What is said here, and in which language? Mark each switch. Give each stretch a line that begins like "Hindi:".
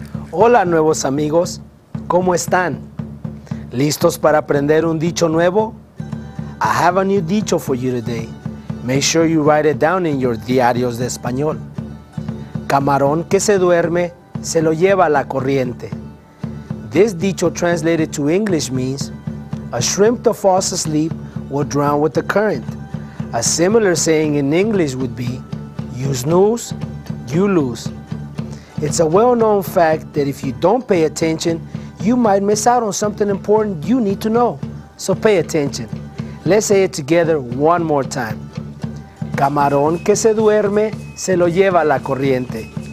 Spanish: Hola, nuevos amigos. ¿Cómo están? ¿Listos para aprender un dicho nuevo?
English: I have a new dicho for you today. Make sure you write it down in your
Spanish: diarios de español. Camarón que se duerme, se lo lleva la corriente.
English: This dicho translated to English means, a shrimp that falls asleep will drown with the current. A similar saying in English would be, you snooze, you lose. It's a well-known fact that if you don't pay attention, you might miss out on something important you need to know. So pay attention. Let's say it together one more time.
Spanish: Camarón que se duerme, se lo lleva la corriente.